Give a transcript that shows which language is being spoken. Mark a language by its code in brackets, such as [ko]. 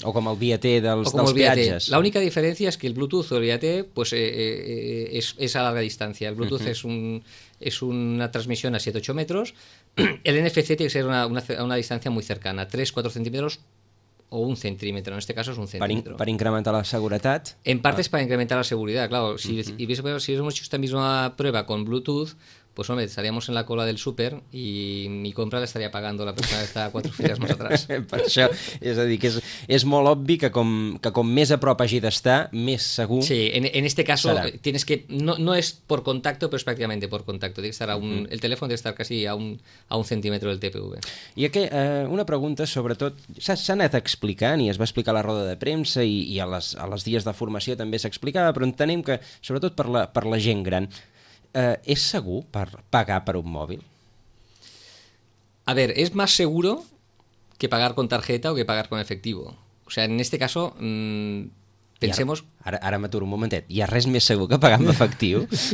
[ca] O com el VAT dels viatges. La única diferència és que el Bluetooth o el VAT pues, és a larga distància. El Bluetooth és una transmissió a 7-8 metres. El NFC té que ser a una distància molt cercana, 3-4 centímetres o un centímetre, [es] en este caso es un centímetro. ¿Para incrementar la seguridad? En parte es para incrementar la seguridad, claro. Si hubiésemos hecho esta misma prueba con Bluetooth, pues hombre, estaríamos en la cola del súper y mi compra la estaría pagando la persona que está cuatro filas más atrás. [ca] Per això, és a dir, que és molt obvi que com més a prop hagi d'estar, més segur. [es] Sí, en este caso serà. Tienes que, no es por contacto, pero es prácticamente por contacto. Tiene que estar el teléfono tiene que estar casi a un centímetro del TPV. [ca] I una pregunta, sobretot, s'ha anat explicant i es va explicar a la roda de premsa i a les dies de formació també s'explicava, però entenem que, sobretot per la gent gran, [es] ¿es seguro pagar para un móvil? A ver, es más seguro que pagar con tarjeta o que pagar con efectivo. O sea, en este caso, pensemos... Ahora [ca] me aturo un momentet. [es] ¿Y a res más seguro que pagar con efectivo?